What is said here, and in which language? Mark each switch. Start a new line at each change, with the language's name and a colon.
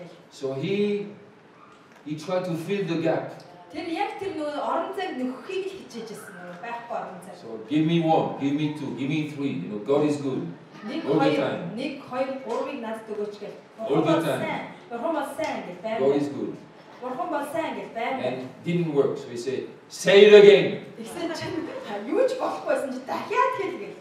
English: So he tried to fill the gap.
Mongolian: Тэр яг тэр нөгөө орон зайг нөхөхийг л хичээж байсан нөгөө байхгүй орон зай.
English: So give me one, give me two, give me three. You know, God is good.
Mongolian: Нэг хоёр гурвыг надад өгөөч гэл. Бурхан бол сайн гэл.
English: God is good.
Mongolian: Бурхан бол сайн гэл байна.
English: And didn't work. So he said, say it again.
Mongolian: Эсвэл юу ч болохгүйсэн чи дахиад хэл гэл.